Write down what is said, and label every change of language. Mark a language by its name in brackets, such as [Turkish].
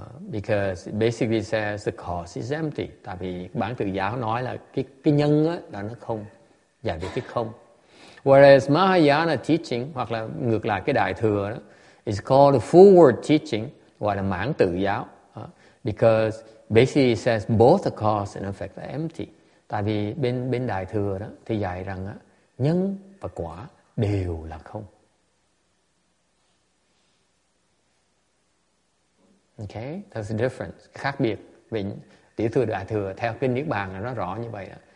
[English] Because it basically says the course is empty. [Vietnamese] Tại vì bán tự giáo nói là cái nhân là nó không, giải được cái không. [English] Whereas Mahayana teaching, [Vietnamese] hoặc là ngược lại cái đại thừa đó, [English] is called the full word teaching, [Vietnamese] gọi là mãn tự giáo. [English] Because basically it says both the cause and effect are empty. [Vietnamese] Tại vì bên đại thừa đó thì dạy rằng á, nhân và quả đều là không. [English] Okay, that's the difference. [Vietnamese] Khác biệt về tiểu thừa đại thừa theo kinh Niết Bàn là nó rõ như vậy.